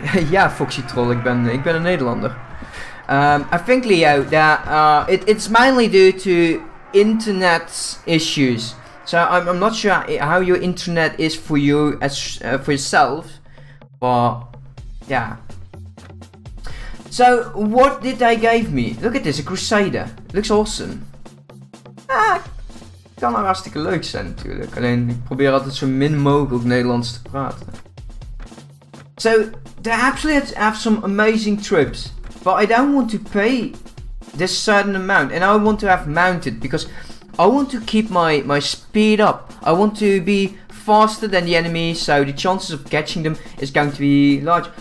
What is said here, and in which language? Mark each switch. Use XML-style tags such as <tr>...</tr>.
<nl>Ja, Foxy Troll, ik ben een Nederlander.</nl> <en>I think, Leo, that it's mainly due to internet issues. So I'm not sure how your internet is for you as for yourself, but yeah. So what did they gave me? Look at this, a Crusader. Looks awesome.</en> <nl>Kan er hartstikke leuk zijn natuurlijk. Alleen ik probeer altijd zo min mogelijk Nederlands te praten.</nl> <en>So, the Absolutes have some amazing troops, but I don't want to pay this certain amount, and I want to have mounted, because I want to keep my speed up. I want to be faster than the enemy, so the chances of catching them is going to be large.</en>